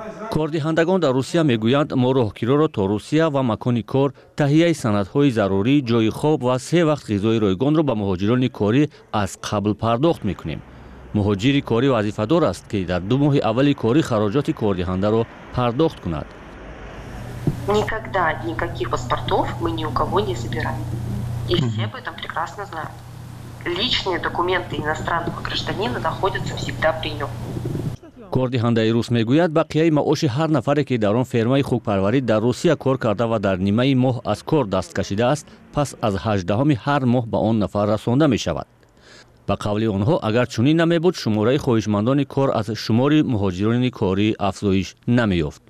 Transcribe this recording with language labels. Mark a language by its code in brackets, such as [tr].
[fa] کاردهندگان در روسیه میگویند ماروحکیرو را تا روسیه و مکانی کار تهیه سندهای ضروری جای خواب و سه وقت غذای رایگان را به مهاجران کاری از قبل پرداخت میکنیم. مهاجری کاری وظیفه دار است که در دو ماه اولی کاری خراجات کاردهنده را پرداخت کند. [ru] Никогда никаких паспортов мы ни у кого не забираем. И все об этом прекрасно знают. Личные документы иностранного гражданина находятся всегда при нём. [tg] Кордиҳандаи рус мегӯяд, бақияи маоши ҳар нафаре, ки дар он фермаи хукпарварӣ дар Русия кор карда ва дар нимаи моҳ аз кор даст кашидааст, пас аз 18-уми ҳар моҳ ба он нафар расонда мешавад. Ба қавли онҳо, агар чунин намебуд, шумораи хоҳишмандони кор аз шумори муҳоҷирони корӣ афзоиш намеёфт.